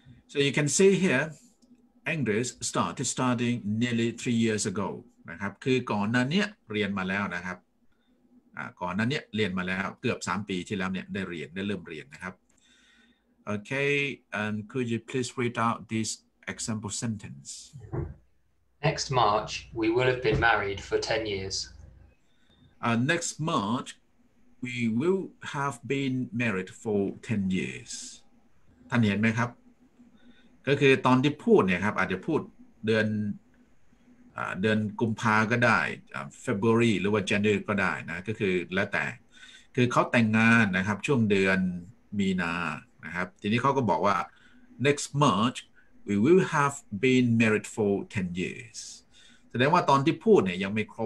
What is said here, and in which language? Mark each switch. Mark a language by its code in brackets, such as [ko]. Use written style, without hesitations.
[en] so you can see here Andreas started studying nearly 3 years ago [th] นะครับคือก่อนหน้าเนี้ยเรียนมาแล้วนะครับก่อนนั้นเนี่ยเรียนมาแล้วเกือบ3ปีที่แล้วเนี่ยได้เรียนได้เริ่มเรียนนะครับโอเค [en] and could you please read out this example sentence Next March we will have been married for 10 years Next March we will have been married for 10 years [th] ท่านเห็นไหมครับก็คือตอนที่พูดเนี่ยครับอาจจะพูดเดือนกุมภาก็ได้ February หรือว่า January ก็ได้นะก็คือแล้วแต่คือเขาแต่งงานนะครับช่วงเดือนมีนานะครับทีนี้เขาก็บอกว่า [en] next March we will have been married for 10 years [th] แสดงว่าตอนที่พูดเนี่ยยังไม่